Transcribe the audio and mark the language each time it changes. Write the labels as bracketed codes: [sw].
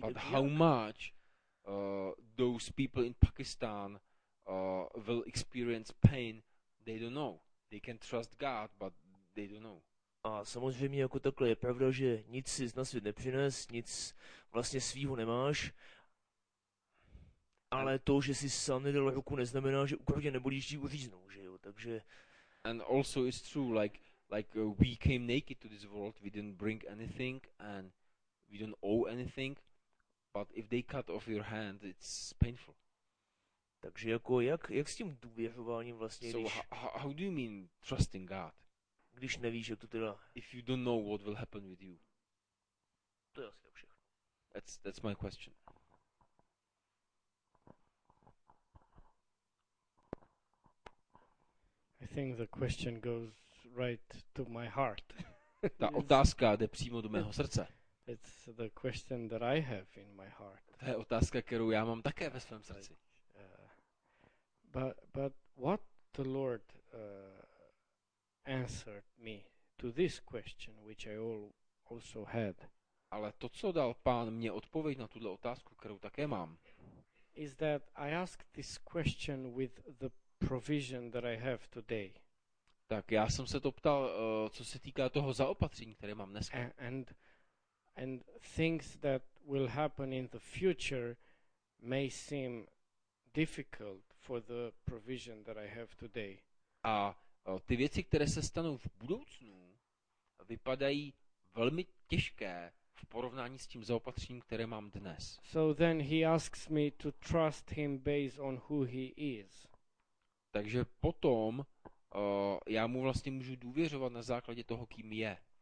[en] But how much those people in Pakistan will experience pain, they don't know. They can trust God, but they don't know. [cs] A samozřejmě jako takhle je pravda, že nic si na svět nepřines, nic vlastně svýho nemáš. Ale to, že si sám nedal ruku, neznamená, že ukrutě nebolí, že ji uříznou, že jo, takže... [en] And also it's true, like we came naked to this world, we didn't bring anything and we don't owe anything, but if they cut off your hand, it's painful. [cs] Takže jako, jak s tím důvěřováním vlastně, [en] so [cs] když... [en] How do you mean trusting God? [cs] Když nevíš, jak to teda... [en] If you don't know what will happen with you. [cs] To je asi tak všechno. [en] That's my question. I think the question goes right to my heart. [cs] Ta otázka jde přímo do mého srdce. [en] It's the question that I have in my heart. [cs] To je otázka, kterou já mám také ve svém srdci. [en] But what the Lord answered me to this question, which I also had. [cs] Ale to, co dal Pán mě odpověď na tuto otázku, kterou také mám. [en] Is that I asked this question with the provision that I have today. [cs] Tak já jsem se to ptal, co se týká toho zaopatření, které mám dneska. [en] And things that will happen in the future may seem difficult for the provision that I have today. [cs] A ty věci, které se stanou v budoucnu, vypadají velmi těžké v porovnání s tím zaopatřením, které mám dnes. [en] So then he asks me to trust him based on who he is. [cs] Takže potom já mu vlastně můžu důvěřovat na základě toho, kým je.